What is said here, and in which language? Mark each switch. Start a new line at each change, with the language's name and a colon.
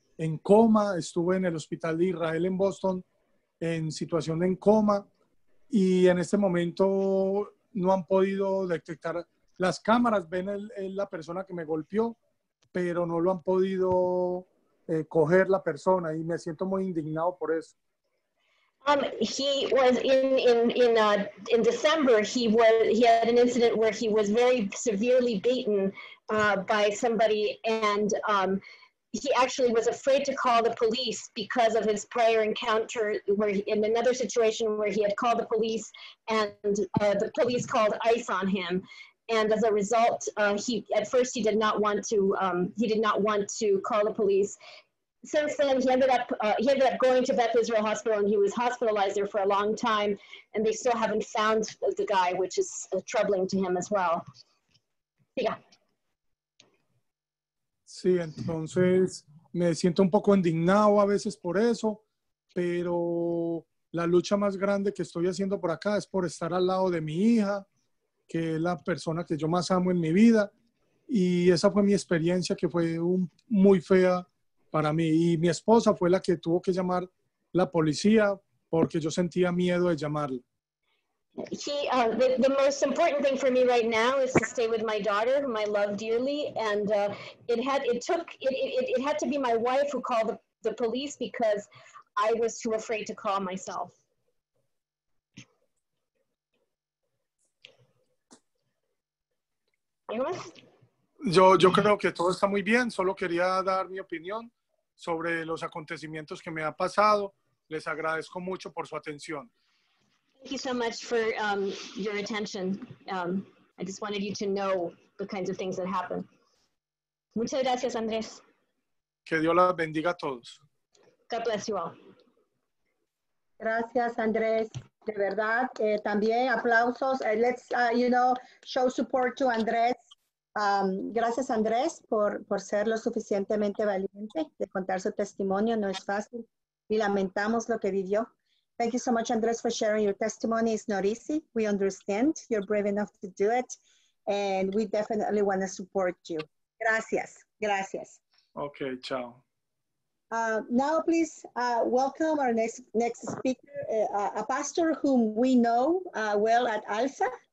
Spanish: en coma, estuve en el Hospital de Israel en Boston en situación de en coma y en este momento no han podido detectar las cámaras, ven el la persona que me golpeó, pero no lo han podido coger la persona y me siento muy indignado por eso.
English: He was in December. He had an incident where he was very severely beaten by somebody, and he actually was afraid to call the police because of his prior encounter. Where he, in another situation where he had called the police, and the police called ICE on him, and as a result, he at first he did not want to he did not want to call the police. Since then, he ended up going to Beth Israel Hospital, and he was hospitalized there for a long time, and they still haven't found the guy, which is troubling to him as well. Yeah.
Spanish: Sí, entonces me siento un poco indignado a veces por eso, pero la lucha más grande que estoy haciendo por acá es por estar al lado de mi hija, que es la persona que yo más amo en mi vida, y esa fue mi experiencia que fue muy fea. Para mí y mi esposa fue la que tuvo que llamar la policía porque yo sentía miedo de llamarla.
English: The most important thing for me right now is to stay with my daughter, whom I love dearly, and it had to be my wife who called the police because I was too afraid to call myself.
Spanish: Yo creo que todo está muy bien, solo quería dar mi opinión sobre los acontecimientos que me ha pasado. Les agradezco mucho por su atención.
English: Thank you so much for your attention. I just wanted you to know the kinds of things that happen.
Spanish: Muchas gracias, Andrés. Que Dios las bendiga a todos.
English: God bless you all.
Spanish: Gracias, Andrés. De verdad, también aplausos.
English: Let's, you know, show support to Andrés.
Spanish: Gracias, Andrés, por ser lo suficientemente valiente de contar su testimonio. No es fácil y lamentamos lo que vivió.
English: Thank you so much, Andrés, for sharing your testimony. It's not easy. We understand you're brave enough to do it, and we definitely want to support you.
Spanish: Gracias. Gracias. Okay, chao.
English: Now, please welcome our next speaker, a pastor whom we know well at Alpha.